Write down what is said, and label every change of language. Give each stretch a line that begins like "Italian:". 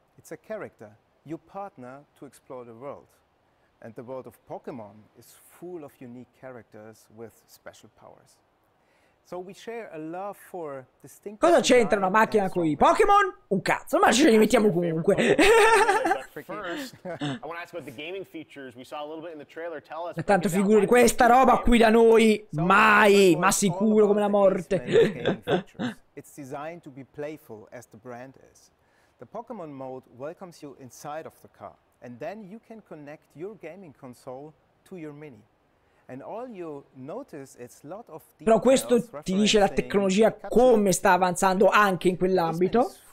English: It's a character, your partner to explore the world. And the world of Pokémon is full of unique characters with special powers. So we share a love for distinct.
Italian: Cosa c'entra una macchina con i Pokémon? Un cazzo, ma ce li mettiamo comunque.
English: I want to ask about the gaming features. We saw a little bit in the trailer. Tell us.
Italian: Tanto figuro di questa roba qui da noi, mai, ma sicuro come la morte.
English: It's designed to be playful as the brand is. The Pokémon mode welcomes you inside of the car and then you can connect your gaming console to your mini. And all you notice is lot of.
Italian: Però questo ti dice la tecnologia come sta avanzando anche in quell'ambito.